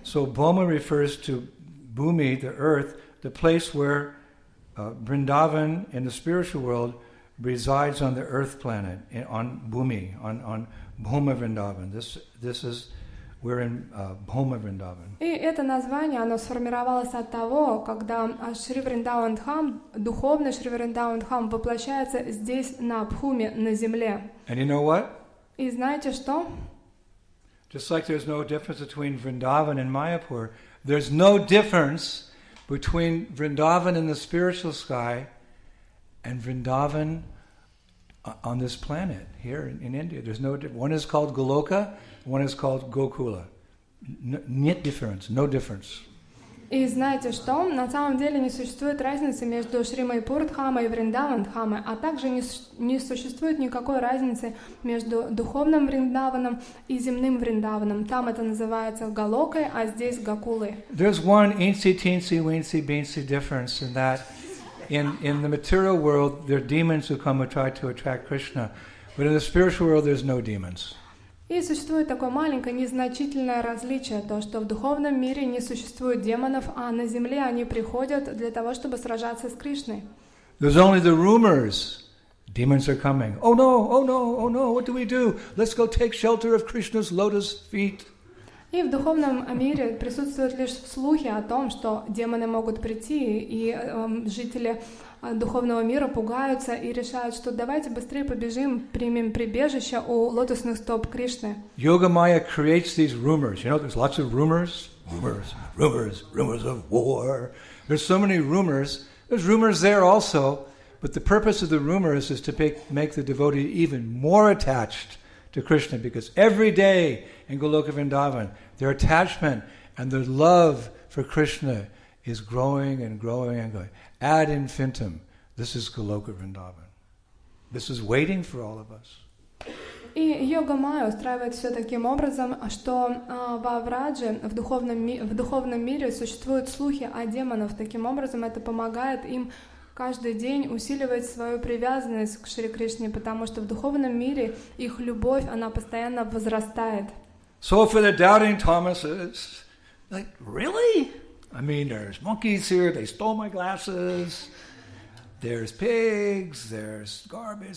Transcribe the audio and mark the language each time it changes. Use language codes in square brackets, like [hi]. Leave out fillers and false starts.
[en] So Бхома refers to Bhumi, the earth, the place where Vrindavan in the spiritual world resides on the earth planet, on Bhumi, on Bhoma Vrindavan. This is we're in Bhoma Vrindavan. [ru] И это название оно сформировалось от того, когда Шри Вриндаван Дхам, духовный Шри Вриндаван Дхам воплощается здесь на Бхуме, на земле. [en] And you know what? [ru] И знаете что? [en] Just like there's no difference between Vrindavan and Mayapur, there's no difference between Vrindavan in the spiritual sky and Vrindavan on this planet here in India. There's no one is called Goloka, one is called Gokula. No difference. [ru] И знаете что? На самом деле не существует разницы между Шримайпуртхамой и Вриндавандхамой, а также не существует никакой разницы между духовным Вриндаваном и земным Вриндаваном. Там это называется Галокой, а здесь Гакулы. [en] There's one insy-teensy-weensy-beensy difference in that in the material world there are demons who come and try to attract Krishna, but in the spiritual world there's no demons. [ru] И существует такое маленькое незначительное различие, то, что в духовном мире не существует демонов, а на земле они приходят для того, чтобы сражаться с Кришной. [en] There's only the rumors. Demons are coming. Oh no, oh no, oh no, what do we do? Let's go take shelter of Krishna's lotus feet. [ru] И в духовном мире присутствуют лишь слухи о том, что демоны могут прийти, и жители духовного мира пугаются и решают, что давайте быстрее побежим, примем прибежище у лотосных стоп Кришны. [en] Yoga Maya creates these rumors. You know, there's lots of rumors, rumors, rumors, rumors of war. There's so many rumors. There's rumors there also, but the purpose of the rumors is to make the devotee even more attached to Krishna, because every day in Goloka Vrindavan, their attachment and their love for Krishna is growing and growing and growing. Ad infinitum, this is Goloka Vrindavan. This is waiting for all of us. [ru] И йога майя устраивает все таким образом, что во Врадже, в духовном мире существуют слухи о демонах. Таким образом, это помогает им каждый день усиливать свою привязанность к Шри Кришне, потому что в духовном мире их любовь, она постоянно возрастает. [en] So for the doubting Thomases, like, really? I mean, there's monkeys here, they stole my glasses. There's pigs, there's garbage.